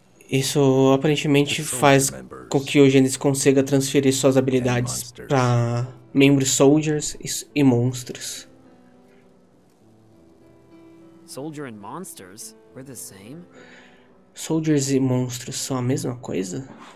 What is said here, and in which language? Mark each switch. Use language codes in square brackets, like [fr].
[pt] Isso aparentemente faz com que o Genesis consiga transferir suas habilidades para membros soldiers e monstros. [en] Soldier and monsters, we're the same. [pt] Soldiers e monstros são a mesma coisa?